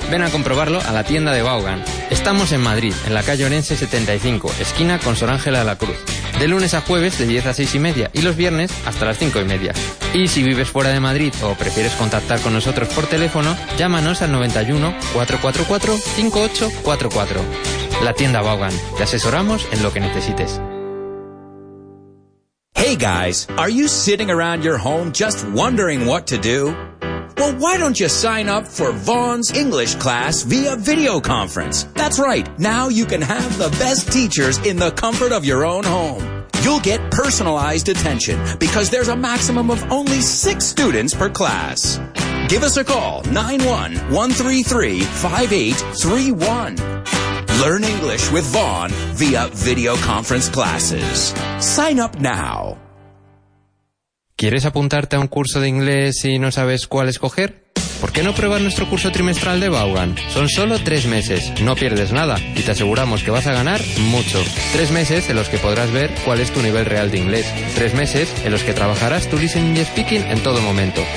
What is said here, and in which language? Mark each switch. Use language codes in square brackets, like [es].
[es] Ven a comprobarlo a la tienda de Vaughan. Estamos en Madrid, en la calle Orense 75, esquina con Sor Ángela de la Cruz. De lunes a jueves de 10 a 6 y media y los viernes hasta las 5 y media. Y si vives fuera de Madrid o prefieres contactar con nosotros por teléfono, llámanos al 91-444-5844. La tienda Vaughan. Te asesoramos en lo que necesites. [en] Hey guys, are you sitting around your home just wondering what to do? Well, why don't you sign up for Vaughan's English class via video conference? That's right. Now you can have the best teachers in the comfort of your own home. You'll get personalized attention because there's a maximum of only 6 students per class. Give us a call, 91-133-5831. Learn English with Vaughan via video conference classes. Sign up now. [es] ¿Quieres apuntarte a un curso de inglés y no sabes cuál escoger? ¿Por qué no pruebas nuestro curso trimestral de Vaughan? Son solo 3 meses, no pierdes nada y te aseguramos que vas a ganar mucho. 3 meses en los que podrás ver cuál es tu nivel real de inglés. 3 meses en los que trabajarás tu listening y speaking en todo momento.